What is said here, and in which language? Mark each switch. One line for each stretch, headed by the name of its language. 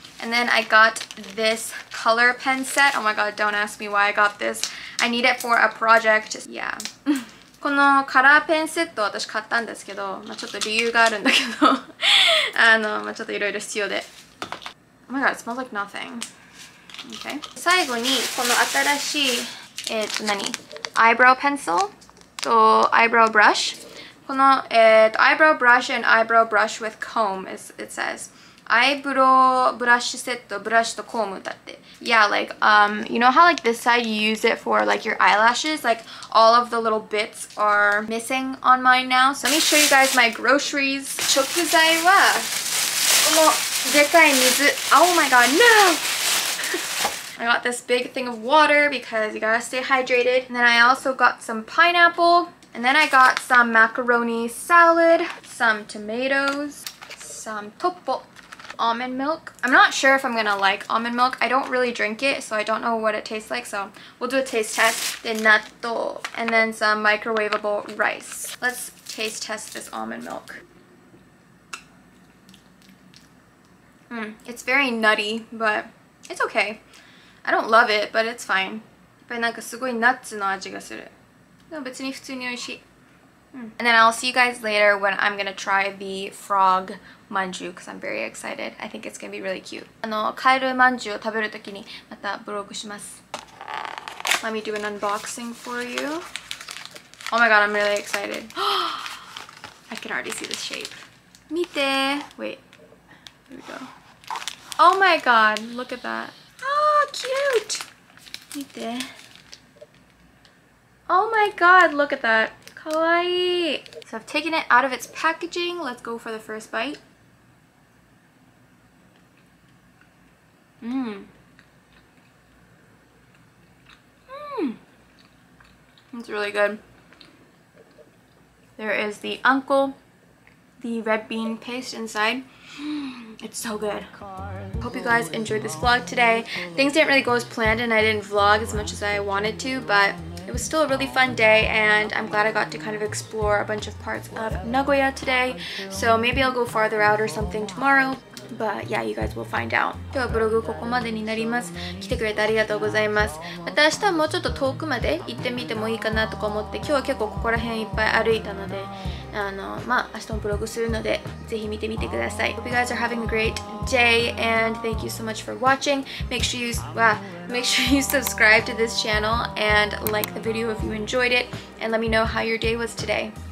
English: And then I got this color pen set. Oh my god, don't ask me why I got this. I need it for a project. Yeah.
Japanese: このカラーペンセットを私買ったんですけど、まあ、ちょっと理由があるんだけどまあ、ちょっといろいろ必要で。
English: Oh my god, it smells like nothingOkay.
Japanese: 最後にこの新しい何アイブロウペンシルとアイブロウブラシ。
English: このアイブロウブラシ and アイブロウブラシ with comb is it says.
Japanese: アイブロウブラシセット、ブラシとコームだって。
English: Yeah, like, you know how like this side you use it for like your eyelashes? Like all of the little bits are missing on mine now. So let me show you guys my groceries.
Japanese: 食材はこのでかい水。
English: Oh my god, no! I got this big thing of water because you gotta stay hydrated. And then I also got some pineapple. And then I got some macaroni salad. Some tomatoes. Some topo. Almond milk. I'm not sure if I'm gonna like almond milk. I don't really drink it, so I don't know what it tastes like. So we'll do a taste test. Then natto. And then some microwavable rice. Let's taste test this almond milk. Mm, it's very nutty, but it's okay. I don't love it, but it's fine.
Japanese: やっぱりなんかすごいナッツの味がする。でも別に普通に美味しい。
English: And then I'll see you guys later when I'm gonna try the frog manju because I'm very excited. I think it's gonna be really cute.
Japanese: かえるまんじゅうを食べるときにまたブログします。
English: Let me do an unboxing for you. Oh my god, I'm really excited. I can already see the shape.
Japanese: 見て!
English: Wait. Here we go. Oh my god, look at that. Oh, cute!
Japanese: 見て!
English: Oh my god, look at that. かわいい!So I've taken it out of its packaging. Let's go for the first bite. Mmm. It's really good. There is the anko, the red bean paste inside. It's so good. Hope you guys enjoyed this vlog today. Things didn't really go as planned and I didn't vlog as much as I wanted to, but it was still a really fun day and I'm glad I got to kind of explore a bunch of parts of Nagoya today. So maybe I'll go farther out or something tomorrow. But yeah, you guys will find out.
Japanese: 今日はブログここまでになります。来てくれてありがとうございます。また明日はもうちょっと遠くまで行ってみてもいいかなとか思って、今日は結構ここら辺いっぱい歩いたので、まあ明日もブログするので、ぜひ見てみてください。
English: Hope you guys are having a great day and thank you so much for watching. Make sure you subscribe to this channel and like the video if you enjoyed it. And let me know how your day was today.